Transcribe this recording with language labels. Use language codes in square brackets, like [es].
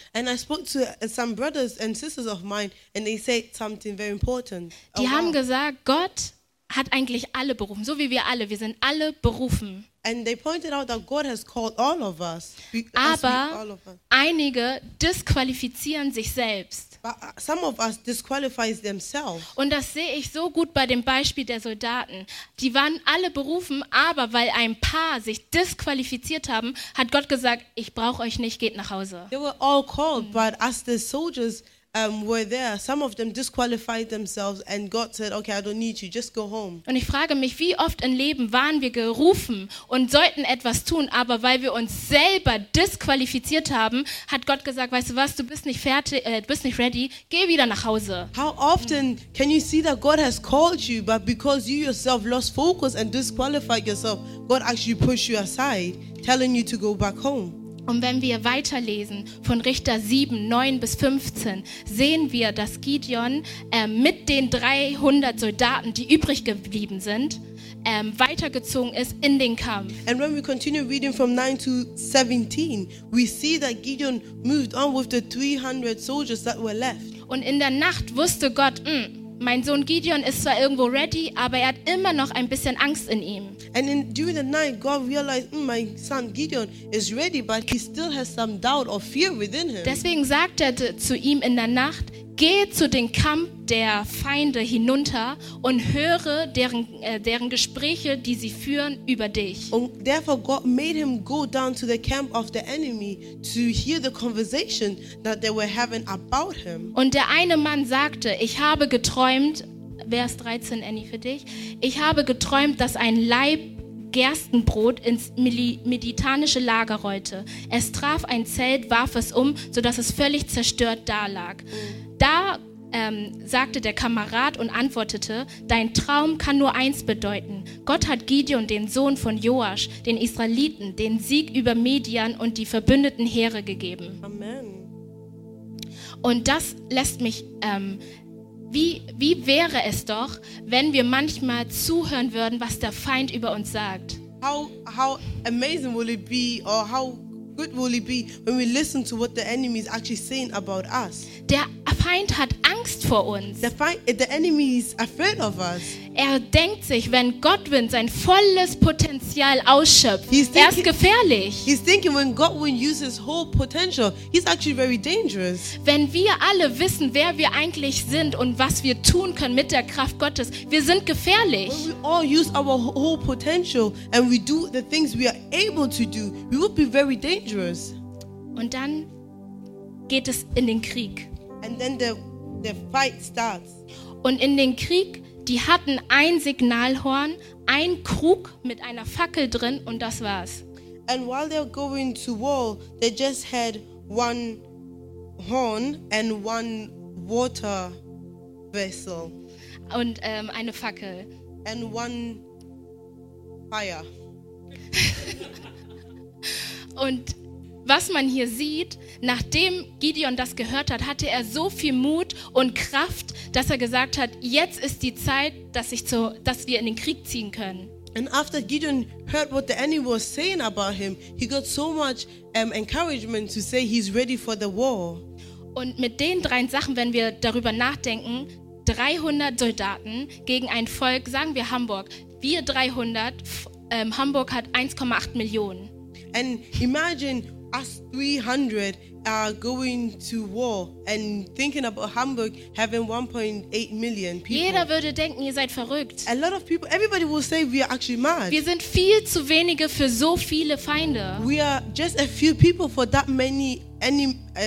[en] And I spoke to some brothers and sisters of mine and they said something very important. [de] Die haben gesagt, Gott hat eigentlich alle berufen, so wie wir sind alle berufen. [en] And they pointed out that God has called all of us. [de] Aber einige disqualifizieren sich selbst. [en] But some of us disqualify themselves. [de] Und das sehe ich so gut bei dem Beispiel der Soldaten. Die waren alle berufen, aber weil ein paar sich disqualifiziert haben, hat Gott gesagt, ich brauche euch nicht, geht nach Hause. [en] They were all called, but as the soldiers were there, some of them disqualified themselves and God said, okay, I don't need you, just go home. [de] Und ich frage mich, wie oft im Leben waren wir gerufen und sollten etwas tun, aber weil wir uns selber disqualifiziert haben, hat Gott gesagt, weißt du was, du bist nicht fertig, bist nicht ready, geh wieder nach Hause. [en] How often can you see that God has called you, but because you yourself lost focus and disqualified yourself, God actually pushed you aside, telling you to go back home. [de] Und wenn wir weiterlesen von Richter 7, 9 bis 15, sehen wir, dass Gideon mit den 300 Soldaten, die übrig geblieben sind, weitergezogen ist in den Kampf. [en] And when we continue reading from 9 to 17, we see that Gideon moved on with the 300 soldiers that were left. [de] Und in der Nacht wusste Gott, mein Sohn Gideon ist zwar irgendwo ready, aber er hat immer noch ein bisschen Angst in ihm. [en] And in, during the night, God realized, my son Gideon is ready, but he still has some doubt or fear within him. [de] Deswegen sagt er zu ihm in der Nacht, geh zu dem Kampf der Feinde hinunter und höre deren Gespräche, die sie führen, über dich. [en] And therefore God made him go down to the camp of the enemy to hear the conversation that they were having about him. [de] Und der eine Mann sagte, ich habe geträumt, Vers 13, Annie, für dich. Ich habe geträumt, dass ein Leib Gerstenbrot ins meditanische Lager rollte. Es traf ein Zelt, warf es um, sodass es völlig zerstört dalag. Da sagte der Kamerad und antwortete, dein Traum kann nur eins bedeuten. Gott hat Gideon, den Sohn von Joasch, den Israeliten, den Sieg über Midian und die verbündeten Heere gegeben. Amen. Und das lässt mich Wie wäre es doch, wenn wir manchmal zuhören würden, was der Feind über uns sagt? [en] How amazing will it be, or how good will it be, when we listen to what the enemy is actually saying about us? [de] Der Feind hat Angst vor uns. [en] The enemy is afraid of us. [de] Er denkt sich, wenn Godwin sein volles Potenzial ausschöpft, er ist gefährlich. [en] He's thinking when Godwin uses his whole potential, he's actually very dangerous. [de] Wenn wir alle wissen, wer wir eigentlich sind und was wir tun können mit der Kraft Gottes, wir sind gefährlich. [en] When we all use our whole potential and we do the things we are able to do, we would be very dangerous. [de] Und dann geht es in den Krieg. [en] And then the fight starts. [de] Und in den Krieg, die hatten ein Signalhorn, ein Krug mit einer Fackel drin und das war's. [en] And while they're going to war, they just had one horn and one water vessel. [de] Und eine Fackel. [en] And one fire. [de] Und was man hier sieht, nachdem Gideon das gehört hat, hatte er so viel Mut und Kraft, dass er gesagt hat, jetzt ist die Zeit, dass wir in den Krieg ziehen können. [en] And after Gideon heard what the enemy was saying about him, he got so much encouragement to say he's ready for the war. [de] Und mit den drei Sachen, wenn wir darüber nachdenken, 300 Soldaten gegen ein Volk, sagen wir Hamburg, wir 300, Hamburg hat 1,8 Millionen. [en] And imagine us 300 are going to war and thinking about Hamburg having 1.8 million people. [de] Jeder würde denken, ihr seid verrückt. [en] A lot of people, everybody will say we are actually mad. [de] Wir sind viel zu wenige für so viele Feinde. [en] We are just a few people for that many enemies.